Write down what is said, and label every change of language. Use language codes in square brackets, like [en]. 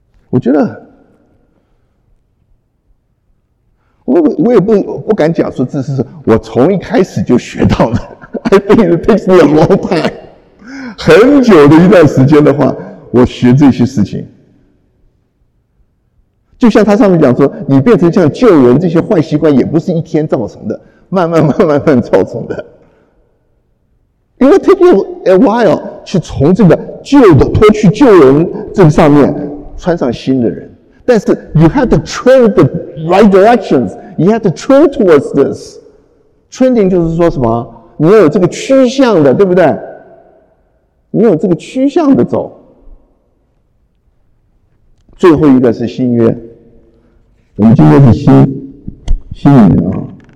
[zh] 我觉得我也不敢讲说这是我从一开始就学到的。 [en] I think it takes me a long time， [zh] 很久的一段时间的话我学这些事情。就像他上面讲说，你变成像旧人，这些坏习惯也不是一天造成的，慢慢造成的。 [en] It will take you a while [zh] 去从这个旧的脱去旧人这个上面穿上新的人。 [en] 但是 you have to train the right directions， you have to train towards this。 [zh] training 就是说什么，你要有这个趋向的，对不对？你有这个趋向的走。最后一个是新约，我们今天是新约啊。